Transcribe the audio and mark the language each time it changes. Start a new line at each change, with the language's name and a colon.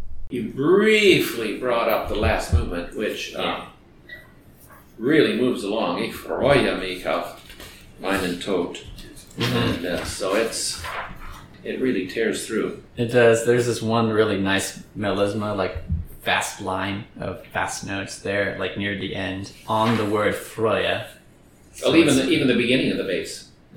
English: You briefly brought up the last movement, which really moves along.
German: Ich freue mich auf meinen Tod. Mm-hmm.
English: And so it really tears through. It does. There's this one really nice melisma, like fast line of fast notes there, like near the end, on the word Freude. So well, even the beginning of the bass.